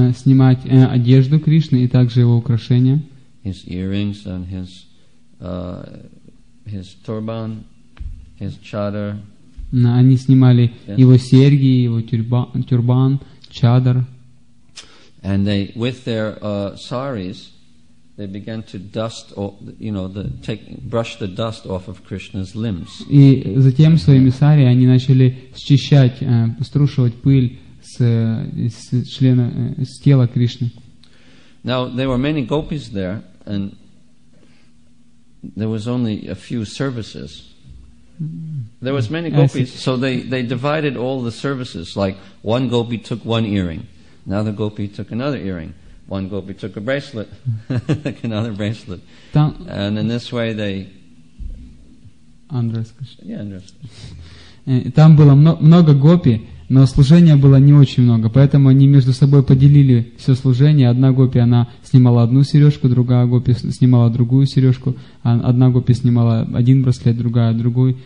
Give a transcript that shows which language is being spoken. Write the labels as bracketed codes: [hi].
[ru] снимать одежду Кришны и также его украшения. [en] His earrings and his turban, his chadar. [ru] Они снимали его серьги, его тюрбан, чадар. [en] And they, with their saris, they began to dust, you know, brush the dust off of Krishna's limbs. [ru] И затем своими сари они начали счищать, струшивать пыль с тела Кришны. [en] Now there were many gopis there, and there was only a few services. There was many gopis, so they divided all the services. Like one gopi took one earring, another gopi took another earring, one gopi took a bracelet, another bracelet, and in this way they. Андрес, yeah, Андрес. [ru] Там было много гопи, но служения было не очень много, поэтому они между собой поделили все служение. Одна гопи она снимала одну сережку, другая гопи снимала другую сережку, одна гопи снимала один браслет, другая другой.